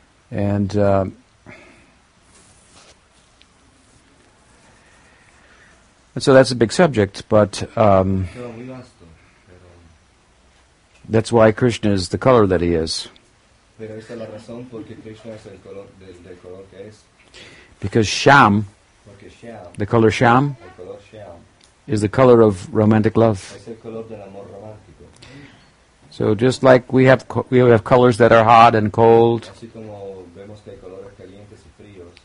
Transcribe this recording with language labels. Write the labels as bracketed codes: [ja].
[en] And so that's a big subject, but that's why Krishna is the color that he is. [es] Pero esa es la razón porque Krishna es el color, del color que es. [en] Because sham, [es] porque sham, [en] the color sham, [es] el color sham, [en] is the color of romantic love. [es] Es el color del amor romántico. [en] So just like we have colors that are hot and cold. [es] Así como vemos que hay colores calientes y fríos.